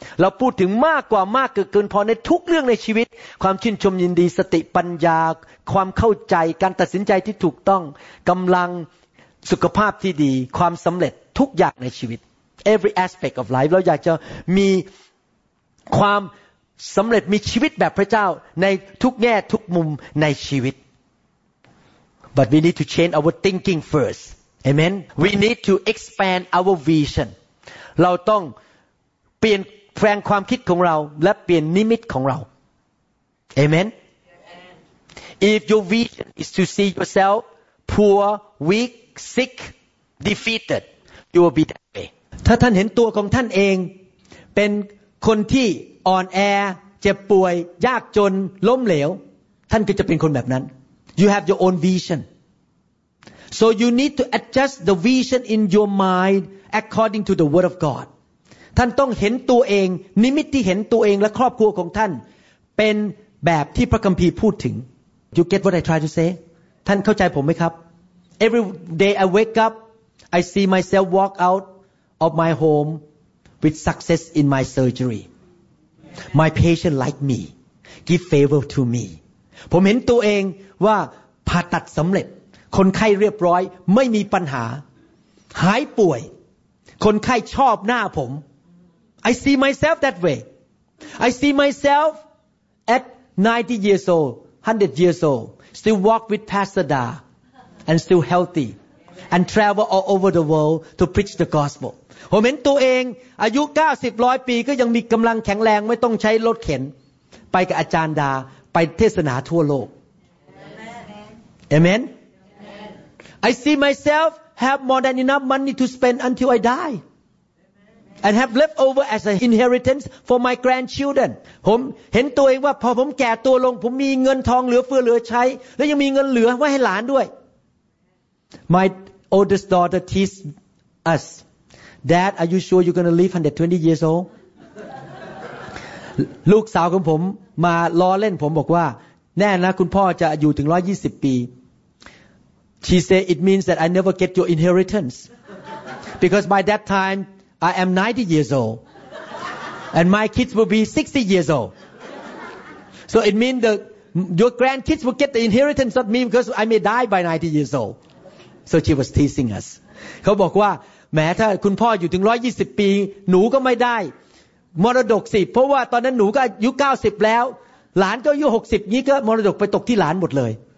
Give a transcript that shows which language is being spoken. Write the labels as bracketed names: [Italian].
[Thai] เราพูดถึงมากกว่ามากเกินพอในทุกเรื่องในชีวิตความชื่นชมยินดีสติปัญญาความเข้าใจการตัดสินใจที่ถูกต้องกำลังสุขภาพที่ดีความสำเร็จทุกอย่างในชีวิต [English] Every aspect of life [Thai] เราอยากจะมีความสำเร็จมีชีวิตแบบพระเจ้าในทุกแง่ทุกมุมในชีวิต [English] But we need to change our thinking firstAmen. We need to expand our vision. [Thai] เราต้องเปลี่ยนแปลงความคิดของเราและเปลี่ยนนิมิตของเรา [English] Amen? If your vision is to see yourself poor, weak, sick, defeated, you will be that way. [Thai] ถ้าท่านเห็นตัวของท่านเองเป็นคนที่อ่อนแอเจ็บป่วยยากจนล้มเหลวท่านก็จะเป็นคนแบบนั้น [English] You have your own vision. So you need to adjust the vision in your mind according to the word of God. [Thai] ท่านต้องเห็นตัวเองนิมิตที่เห็นตัวเองและครอบครัวของท่านเป็นแบบที่พระคัมภีร์พูดถึง [English] You get what I try to say? [Thai] ท่านเข้าใจผมไหมครับ [English] Every day I wake up, I see myself walk out of my home with success in my surgery. My patient like me, give favor to me. [Thai] ผมเห็นตัวเองว่าผ่าตัดสำเร็จคนไข้เรียบร้อยไม่มีปัญหาหายป่วยคนไข้ชอบหน้าผม [English] I see myself that way. I see myself at 90 years old, 100 years old, still walk with Pastor Da and still healthy and travel all over the world to preach the gospel. [Thai] ผมเห็นตัวเองอายุ90 100ปีก็ยังมีกำลังแข็งแรงไม่ต้องใช้รถเข็นไปกับอาจารย์ดาไปเทศนาทั่วโลก [English] เอเมน I see myself have more than enough money to spend until I die and have left over as an inheritance for my grandchildren [Thai] ผมเห็นตัวเองว่าพอผมแก่ตัวลงผมมีเงินทองเหลือเฟือเหลือใช้แล้วยังมีเงินเหลือไว้ให้หลานด้วย [English] My oldest daughter teaches usDad, are you sure you're going to live 120 years old? [Thai] ลูกสาวของผมมาล้อเล่นผมบอกว่าแน่นะคุณพ่อจะอยู่ถึง120ปี [English] She said it means that I never get your inheritance because by that time I am 90 years old and my kids will be 60 years old. So it means that your grandkids will get the inheritance of me because I may die by 90 years old. So she was teasing us. [Thai] เขาบอกว่าแม้ถ้าคุณพ่ออยู่ถึง120ปีหนูก็ไม่ได้มรดกสิเพราะว่าตอนนั้นหนูก็อายุ90แล้วหลานก็อายุ60งี้ก็มรดกไปตกที่หลานหมดเลย